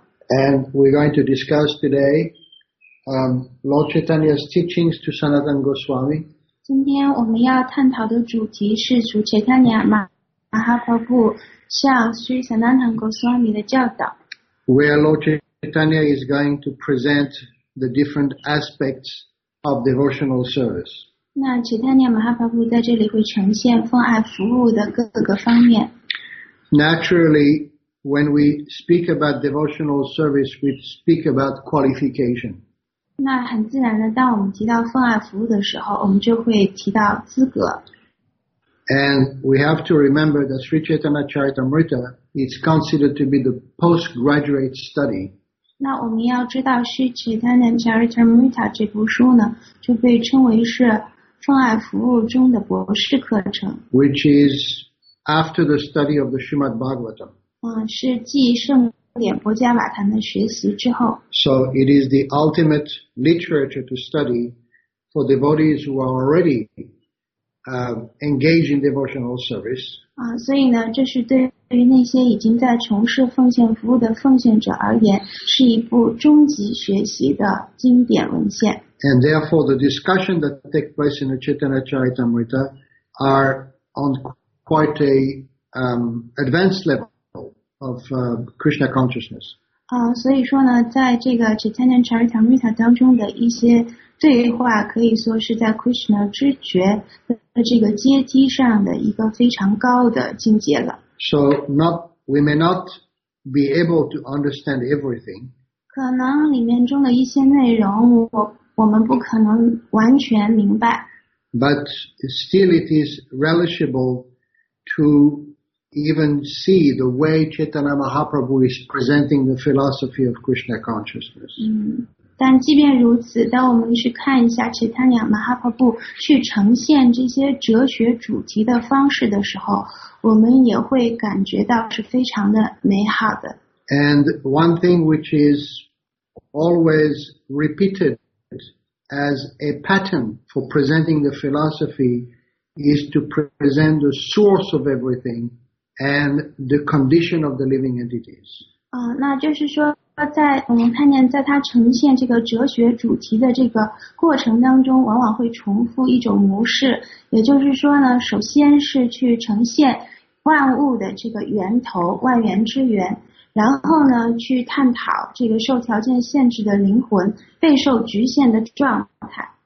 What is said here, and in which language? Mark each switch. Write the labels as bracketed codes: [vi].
[en] And we're going to discuss today Lord Chaitanya's teachings to Sanatana Goswami [zh] 今天我们要探讨的主题是主 Chaitanya Mahaprabhu 向 Sri Sanatana Goswami 的教导 [en] Where Lord Chaitanya is going to present the different aspects of devotional service [zh] 那齐达尼亚马哈巴布在这里会呈现奉爱服务的各个方面。 [en] Naturally, when we speak about devotional service, we speak about qualification. [zh] 那很自然的，当我们提到奉爱服务的时候，我们就会提到资格。 [en] And we have to remember that Sri Chaitanya Charitamrita is considered to be the postgraduate study. [zh] 那我们要知道，是齐达尼亚马哈巴布在这里会呈现奉爱服务的各个方面。就被称为是。奉爱服务中的博士课程 [en] which is after the study of the Srimad Bhagavatam. [zh] 是继圣典博伽瓦坛的学习之后。 [en] So it is the ultimate literature to study for devotees who are already engaged in devotional service. [zh] 所以呢，这是对于那些已经在从事奉献服务的奉献者而言，是一部终极学习的经典文献。 [en] And therefore, the discussion that take place in the Chaitanya Charitamrita are on quite a advanced level of Krishna consciousness. [zh] 所以说呢，在这个 Chaitanya Charitamrita 当中的一些对话，可以说是在 Krishna 知觉的这个阶梯上的一个非常高的境界了。 [en] So not we may not be able to understand everything. [zh] 可能里面中的一些内容我们不可能完全明白 [en] but still it is relishable to even see the way Chaitanya Mahaprabhu is presenting the philosophy of Krishna consciousness [zh] 但即便如此当我们去看一下 Chaitanya Mahaprabhu 去呈现这些哲学主题的方式的时候我们也会感觉到是非常的美好的 [en] and one thing which is always repeated as a pattern for presenting the philosophy is to present the source of everything and the condition of the living entities. [zh] 那就是说在我们看见在它呈现这个哲学主题的这个过程当中往往会重复一种模式也就是说呢首先是去呈现万物的这个源头万源之源然后呢去探讨这个受条件限制的灵魂备受局限的状态。